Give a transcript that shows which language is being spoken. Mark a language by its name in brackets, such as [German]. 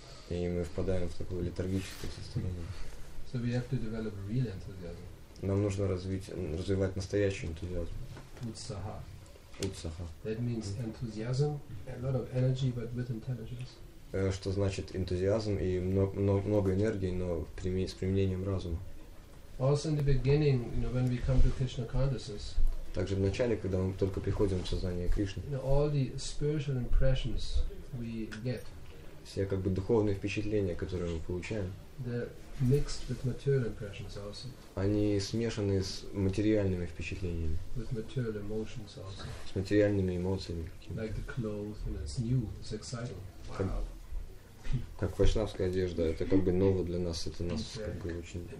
[Russian] И мы впадаем в такое летаргическое состояние. [English] So we have to develop real enthusiasm. [Russian] Нам нужно развивать настоящий энтузиазм. [Sanskrit] Utsaha. Utsaha. [English] That means enthusiasm, a lot of energy, but with intelligence. [Russian] Что значит энтузиазм и много энергии, но с применением разума. [English] Also in the beginning, you know, when we come to Krishna consciousness. [Russian] Также в начале, когда мы только приходим в сознание Кришны. [English] You know, all the spiritual impressions we get. [Russian] Все как бы духовные впечатления, которые мы получаем. [English] They're mixed with material impressions also. [Russian] Они смешаны с материальными впечатлениями. [English] With material emotions also. [Russian] С материальными эмоциями. [English] Like the clothes, you know, it's new, it's exciting. [Russian] Как вайшнавская одежда, это как бы ново для нас, это нас как бы очень